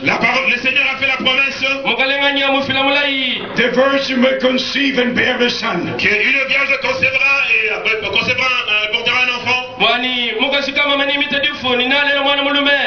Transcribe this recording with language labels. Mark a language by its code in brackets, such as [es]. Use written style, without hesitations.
[fr] La parole, le Seigneur a fait la promesse. [en] The virgin will conceive and bear a son. [fr] Que une vierge concevra et portera un enfant.